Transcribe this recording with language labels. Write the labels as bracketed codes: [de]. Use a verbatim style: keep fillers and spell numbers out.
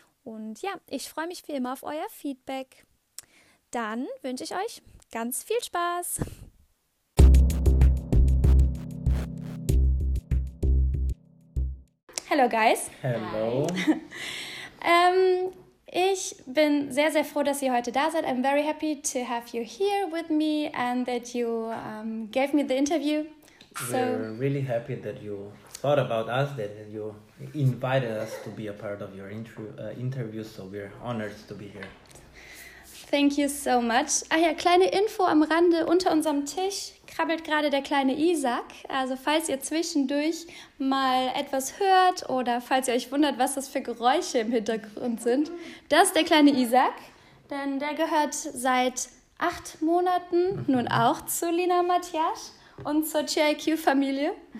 [de] Und ja, ich freue mich wie immer auf euer Feedback. Dann wünsche ich euch ganz viel Spaß. [en] Hello guys. Hello. [de] ähm, ich bin sehr, sehr froh, dass ihr heute da seid. [en] I'm very happy to have you here with me and that you um, gave me the interview. So we're really happy that you thought about us, that you invited us to be a part of your intro, uh, interview. So we're honored to be here. Thank you so much. [de] Ah ja, kleine Info am Rande. Unter unserem Tisch krabbelt gerade der kleine Isaac. Also falls ihr zwischendurch mal etwas hört oder falls ihr euch wundert, was das für Geräusche im Hintergrund sind, das ist der kleine Isaac. Denn der gehört seit acht Monaten nun auch zu Lina und Matthias und zur Cheer-I Q-Familie.